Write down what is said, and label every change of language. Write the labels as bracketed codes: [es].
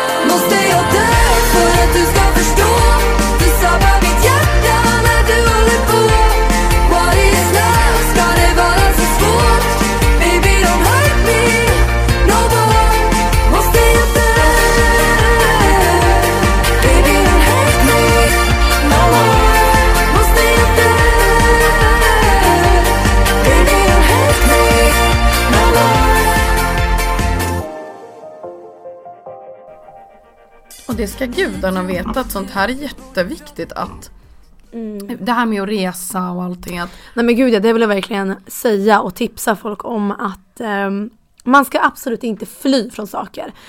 [sv] Måste jag dö för att du ska förstå? Du sabbar mitt hjärta när du håller på. [en] What is love? [sv] Ska det vara så svårt? [en] Baby don't hurt me no more. [sv] Måste jag dö? [en] Baby don't hurt me no more. [sv] Måste jag dö? [en] Baby don't hurt me no more. [sv] Och det ska gudarna veta att sånt här är jätteviktigt att det här med att resa och allting. Nej men gud, det vill jag verkligen säga och tipsa folk om att man ska absolut inte fly från saker.